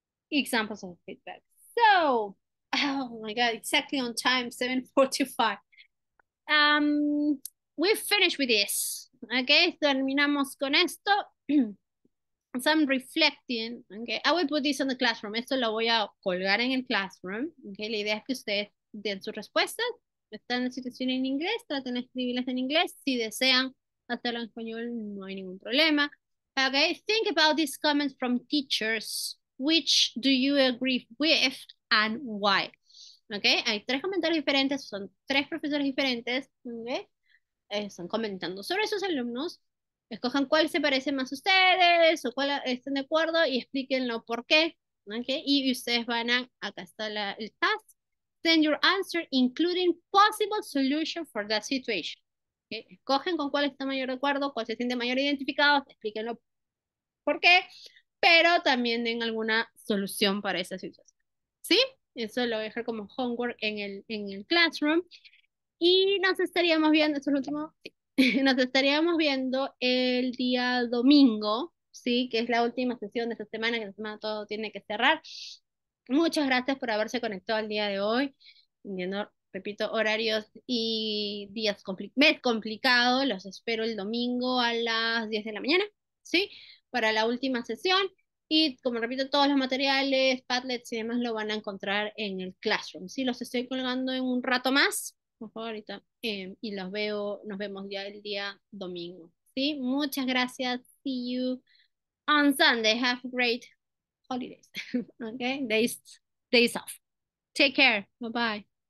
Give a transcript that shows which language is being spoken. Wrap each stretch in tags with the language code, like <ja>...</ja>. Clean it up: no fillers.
<en>Examples of feedback. So, oh my God, exactly on time, 7:45. We've finished with this. Okay,</en> <es>terminamos con esto.</es> <en>Some reflecting. Okay, I will put this on the classroom.</en> <es>Esto lo voy a colgar en el classroom. Okay, la idea es que ustedes den sus respuestas. Están en la situación en inglés, traten de escribirlas en inglés. Si desean hacerlo en español, no hay ningún problema.</es> <en>Okay, think about these comments from teachers. Which do you agree with and why?</en> <es>Okay, hay tres comentarios diferentes, son tres profesores diferentes, okay, están comentando sobre sus alumnos. Escojan cuál se parece más a ustedes o cuál están de acuerdo y explíquenlo por qué. Okay, y ustedes van a, acá está el task.</es> <en>Send your answer, including possible solution for that situation.</en> <es>Okay, escogen con cuál está mayor de acuerdo, cuál se siente mayor identificado, explíquenlo por qué. Pero también den alguna solución para esa situación. ¿Sí? Eso lo voy a dejar como homework en el classroom. Y nos estaríamos viendo, eso es lo último. Sí. Nos estaríamos viendo el día domingo, ¿sí? Que es la última sesión de esta semana, que la semana todo tiene que cerrar. Muchas gracias por haberse conectado el día de hoy, viendo, repito, horarios y días compli mes complicado. Los espero el domingo a las 10 de la mañana, ¿sí? Para la última sesión y como repito, todos los materiales, Padlets y demás lo van a encontrar en el Classroom. Sí, los estoy colgando en un rato más, por favor, ahorita, y los veo, nos vemos ya el día domingo. Sí, muchas gracias.</es> <en>See you on Sunday. Have great holidays. Okay, days off. Take care. Bye bye.</en>